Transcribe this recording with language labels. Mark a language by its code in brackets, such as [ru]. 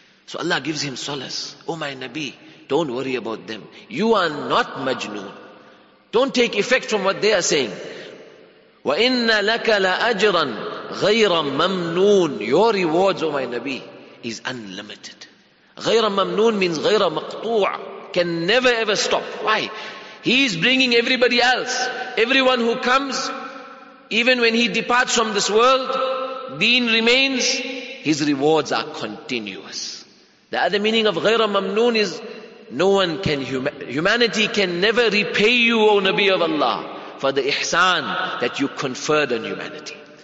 [en] So Allah gives him solace. Oh my Nabi, don't worry about them. You are not majnoon. Don't take effect from what they are saying. [ar] وَإِنَّ لَكَ لَأَجْرًا غَيْرَ مَمْنُونَ. [en] Your rewards, oh my Nabi, is unlimited. [ar] غَيْرَ مَمْنُونَ [en] means [ar] غَيْرَ مَقْطُوعَ. [en] Can never ever stop. Why? He is bringing everybody else. Everyone who comes, even when he departs from this world, deen remains, his rewards are continuous. The other meaning of غير ممنون is no one can, humanity can never repay you, O Nabi of Allah, for the ihsan that you conferred on humanity.